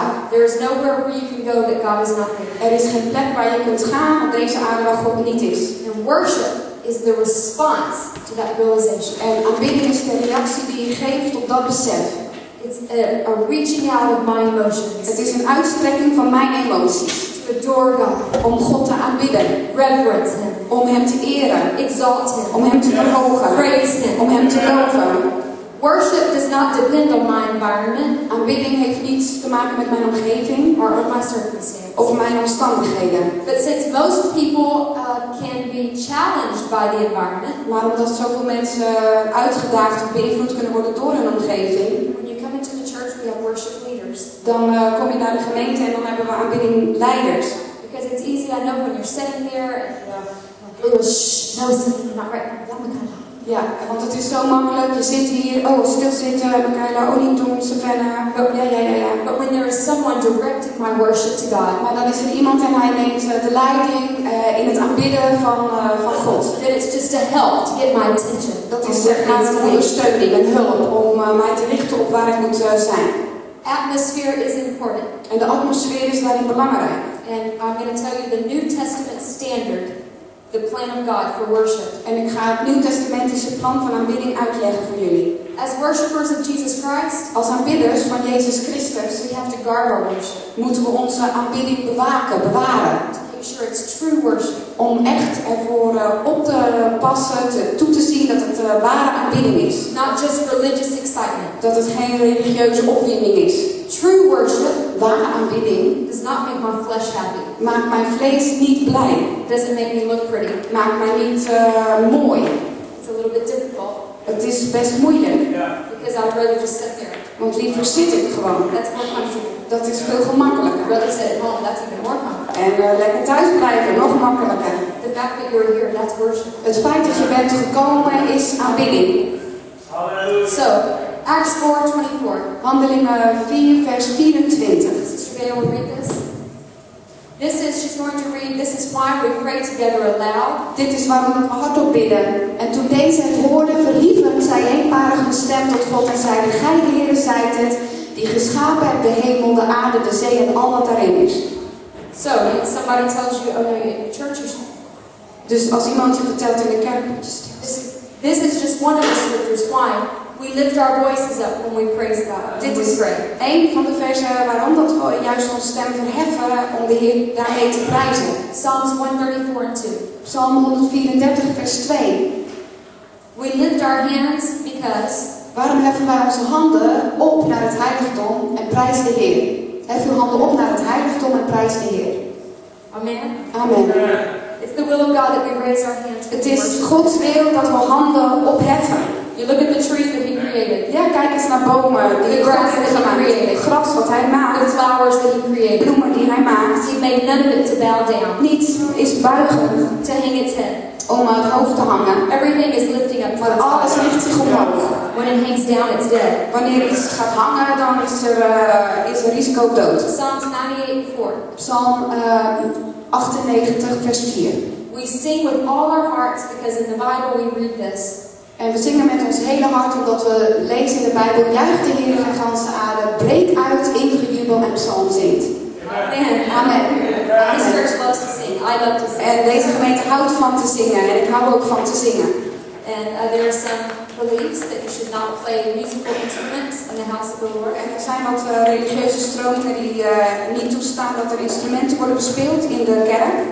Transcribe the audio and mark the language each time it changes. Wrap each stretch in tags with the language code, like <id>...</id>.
<en>There is nowhere where you can go that God is not there.</en> <nl>Er is geen plek waar je kunt gaan op deze aarde waar God niet is.</nl> <en>And worship is the response to that realization.</en> <nl>En aanbidding is de reactie die je geeft op dat besef.</nl> <en>It's a reaching out of my emotions.</en> <nl>Het is een uitstrekking van mijn emoties.</nl> <en>To adore God.</en> <nl>Om God te aanbidden.</nl> <en>Reverence Him.</en> <nl>Om Hem te eren.</nl> <en>Exalt Him.</en> <nl>Om Hem te verhogen.</nl> <en>Praise Him.</en> <nl>Om Hem te loven.</nl> <en>Worship does not depend on my environment.</en> <nl>Aanbidding heeft niets te maken met mijn omgeving,</nl> <en>or of my circumstances.</en> <nl>Of mijn omstandigheden.</nl> <en>But since most people can be challenged by the environment,</en> <nl>maar omdat zoveel mensen uitgedaagd of beïnvloed kunnen worden door hun omgeving,</nl> <en>when you come into the church, we have worship leaders.</en> <nl>Dan kom je naar de gemeente en dan hebben we aanbidding leiders.</nl> <en>Because it's easy, I know when you're sitting there, and you're like, oh, shh, no, it's not right.</en> <nl>Ja, want het is zo makkelijk. Je zit hier, oh, stilzitten, Michaela, oh, niet doen, Savannah. Ja.</nl> <en>But when there is someone directing my worship to God.</en> <nl>Maar dan is er iemand en hij neemt de leiding in het aanbidden van God.</nl> <en>That it's just a help to get my attention.</en> <nl>Dat is zeg maar een ondersteuning, een hulp om mij te richten op waar ik moet zijn.</nl> <en>Atmosphere is important.</en> <nl>En de atmosfeer is daarin belangrijk.</nl> <en>And I'm going to tell you the New Testament standard. The plan of God for worship.</en> <nl>En ik ga het Nieuw Testamentische plan van aanbidding uitleggen voor jullie.</nl> <en>As worshippers of Jesus Christ,</en> <nl>als aanbidders van Jezus Christus,</nl> <en>we have to guard our worship.</en> <nl>Moeten we onze aanbidding bewaken, bewaren.</nl> <en>To make sure it's true worship.</en> <nl>Om echt ervoor op te passen, toe te zien dat het ware aanbidding is.</nl> <en>Not just religious excitement.</en> <nl>Dat het geen religieuze opwinding is.</nl> <en>True worship,</en> <nl>ware aanbidding,</nl> <en>does not make my flesh happy.</en> <nl>Maakt mijn vlees niet blij.</nl> <en>Doesn't make me look pretty.</en> <nl>Maakt mij niet mooi.</nl> <en>It's a little bit difficult.</en> <nl>Het is best moeilijk.</nl> <en>Yeah. Because I'd rather just sit there.</en> <nl>Want liever zit ik gewoon.</nl> <en>That's more comfortable.</en> <nl>Dat is veel gemakkelijker.</nl> <en>Rather sit at home, that's even more comfortable.</en> <nl>En lekker thuis blijven, nog makkelijker.</nl> <en>The fact that you're here, that's worship.</en> <nl>Het feit dat je bent gekomen is aanbidding.</nl> <en>Hallelujah. So, Acts 4:24.</en> <nl>Handelingen 4, vers 24.</nl> <en>Sister Gail, read this. This is, she's going to read, this is why we pray together aloud.</en> <nl>Dit is waarom we hardop bidden. En toen deze het hoorde, verhieven zij eenparig hun stem tot God en zeiden, Gij de Heere zijt het, die geschapen hebt de hemel, de aarde, de zee en al wat daarin is.</nl> <en>So, if somebody tells you, oh no, in the church or something.</en> <nl>Dus als iemand je vertelt in de kerk, moet je stil.</nl> <en>This is just one of the scriptures, why? We lift our voices up when we praise God.</en> <nl>Dit is één van de versen waarom dat we juist onze stem verheffen om de Heer daarmee te prijzen.</nl> <en>Psalms 134 and 2.</en> <nl>Psalm 134 vers 2.</nl> <en>We lift our hands because.</en> <nl>Waarom heffen wij onze handen op naar het heiligdom en prijs de Heer? Hef uw handen op naar het heiligdom en prijs de Heer. Amen. Amen.</nl> <en>It's the will of God that we raise our hands.</en> <nl>Het is Gods wil dat we handen opheffen.</nl> <en>You look at the trees that he created.</en> <nl>Ja, kijk eens naar bomen.</nl> <en>The grass that he created.</en> <nl>Het gras wat hij maakt.</nl> <en>The flowers that he created.</en> <nl>Bloemen die hij maakt.</nl> <en>He made none of it to bow down.</en> <nl>Niets is buigen.</nl> <en>To hang its head.</en> <nl>Om het hoofd te hangen.</nl> <en>Everything is lifting up.</en> <nl>Maar alles ligt zich omhoog.</nl> <en>When it hangs down, it's dead.</en> <nl>Wanneer iets gaat hangen, dan is er risico dood.</nl> <en>Psalms 98:4.</en> <nl>Psalm 98 vers 4.</nl> <en>We sing with all our hearts because in the Bible we read this.</en> <nl>En we zingen met ons hele hart omdat we lezen in de Bijbel. Juich de Heer van ganse aarde. Breek uit in gejubel en psalm zingt. Amen.</nl> <en>This church loves to sing. I love to sing.</en> <nl>En deze gemeente houdt van te zingen. En ik hou ook van te zingen.</nl> <en>And there are some beliefs that you should not play musical instruments in the house of the Lord.</en> <nl>En er zijn wat religieuze stromingen die niet toestaan dat er instrumenten worden bespeeld in de kerk.</nl>